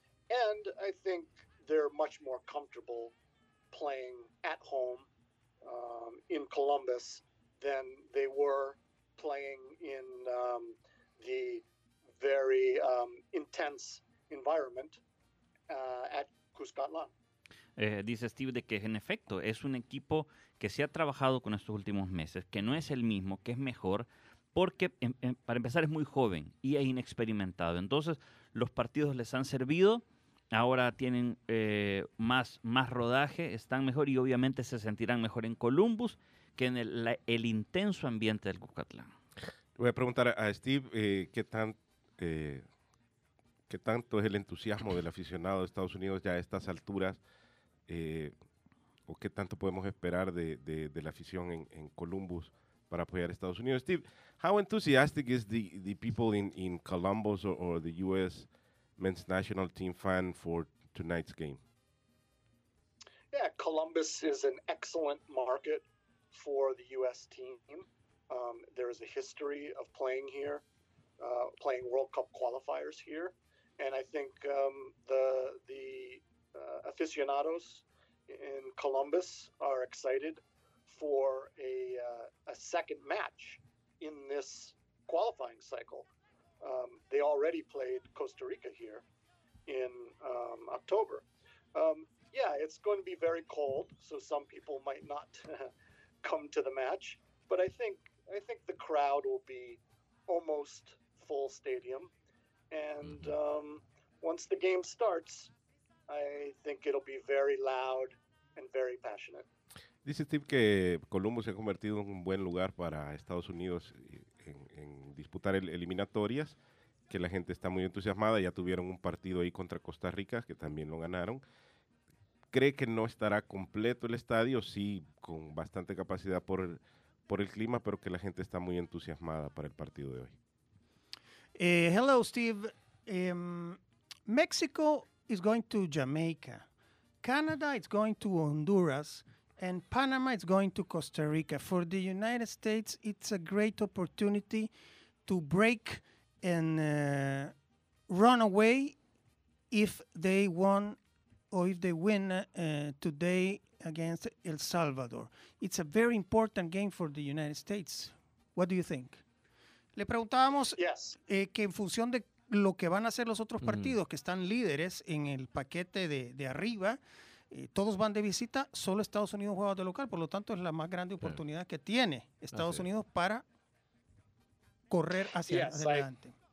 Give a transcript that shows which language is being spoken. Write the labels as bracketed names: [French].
[English] And I think they're much more comfortable playing at home in Columbus than they were playing in the very intense environment at Cuscatlán. [Spanish] Dice Steve de que en efecto es un equipo que se ha trabajado con estos últimos meses, que no es el mismo, que es mejor, porque para empezar es muy joven y es inexperimentado. Entonces los partidos les han servido. Ahora tienen más rodaje, están mejor y obviamente se sentirán mejor en Columbus que en el intenso ambiente del Cuscatlán. Voy a preguntar a Steve qué tanto es el entusiasmo del aficionado de Estados Unidos ya a estas alturas, o qué tanto podemos esperar de la afición en Columbus para apoyar a Estados Unidos. [English] Steve, how enthusiastic is the people in Columbus or the U.S. men's national team fan for tonight's game? Yeah, Columbus is an excellent market for the U.S. team. There is a history of playing here, playing World Cup qualifiers here. And I think the aficionados in Columbus are excited for a second match in this qualifying cycle. They already played Costa Rica here in October. It's going to be very cold, so some people might not come to the match. But I think the crowd will be almost full stadium. And once the game starts, I think it'll be very loud and very passionate. [Spanish] Dice Steve que Columbus se ha convertido en un buen lugar para Estados Unidos en disputar eliminatorias, que la gente está muy entusiasmada. Ya tuvieron un partido ahí contra Costa Rica, que también lo ganaron. ¿Cree que no estará completo el estadio? Sí, con bastante capacidad por el clima, pero que la gente está muy entusiasmada para el partido de hoy. [English] Hello, Steve. Mexico is going to Jamaica. Canada is going to Honduras. And Panama is going to Costa Rica. For the United States, it's a great opportunity to break and run away if they won or if they win today against El Salvador. It's a very important game for the United States. What do you think? [Spanish] Le preguntábamos que en función de lo que van a hacer los otros partidos que están líderes en el paquete de arriba, todos van de visita, solo Estados Unidos juega de local, por lo tanto es la más grande oportunidad que tiene Estados Unidos para correr hacia adelante.